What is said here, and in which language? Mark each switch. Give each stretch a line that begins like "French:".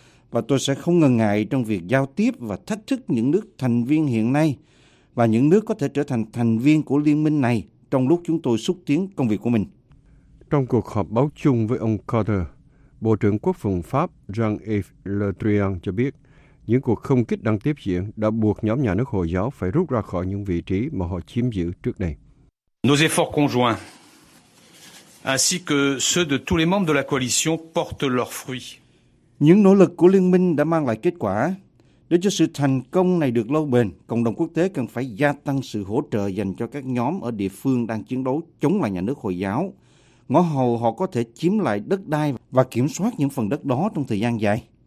Vietnamese: Và tôi sẽ không ngần ngại trong việc giao tiếp và thách thức những nước thành viên hiện nay và những nước có thể trở thành thành viên của liên minh này trong lúc chúng tôi xúc tiến công việc của mình. Trong cuộc họp báo chung với ông Carter, Bộ trưởng Quốc phòng Pháp Jean-Yves Le Drian cho biết những cuộc không kích đang tiếp diễn đã buộc nhóm nhà nước Hồi giáo phải rút ra khỏi những vị trí mà họ chiếm giữ trước đây.
French: Nos efforts conjoints, ainsi que ceux de tous les membres de la coalition, portent leurs fruits.
Vietnamese: Những nỗ lực của liên minh đã mang lại kết quả. Để cho sự thành công này được lâu bền, cộng đồng quốc tế cần phải gia tăng sự hỗ trợ dành cho các nhóm ở địa phương đang chiến đấu chống lại nhà nước Hồi giáo. Ngõ hầu họ có thể chiếm lại đất đai và kiểm soát những phần đất đó trong thời gian dài.